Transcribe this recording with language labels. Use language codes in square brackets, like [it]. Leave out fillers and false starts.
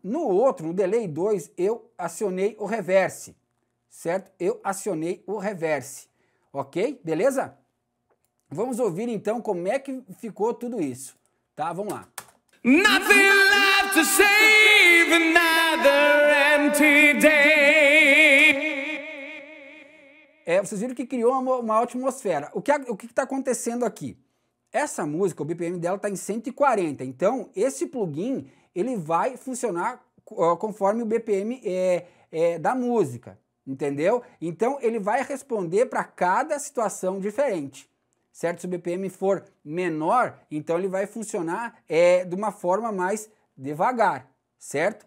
[pt] No outro, no delay 2, eu acionei o reverse, certo? Eu acionei o reverse, ok? Beleza? Vamos ouvir então como é que ficou tudo isso, tá? Vamos lá. [en] Nothing left to save, another empty day. [pt] Vocês viram que criou uma atmosfera. O que tá acontecendo aqui? Essa música, o BPM dela está em 140, então esse plugin ele vai funcionar conforme o BPM da música, entendeu? Então ele vai responder para cada situação diferente, certo? Se o BPM for menor, então ele vai funcionar de uma forma mais devagar, certo?